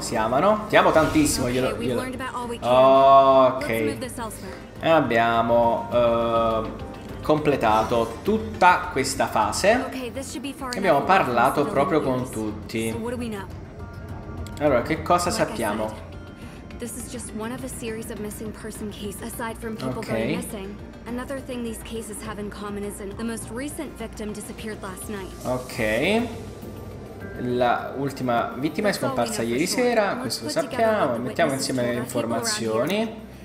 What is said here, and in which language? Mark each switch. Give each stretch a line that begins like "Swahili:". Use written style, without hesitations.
Italian: Si amano? Ti amo tantissimo. Glielo. Ok. Abbiamo completato tutta questa fase. Abbiamo parlato proprio con tutti. Allora, che cosa sappiamo? Ok.
English: Another thing these cases have in common is the most recent victim disappeared last night. Ok.
Italian: La ultima vittima è scomparsa ieri sera, questo lo sappiamo, mettiamo insieme le informazioni.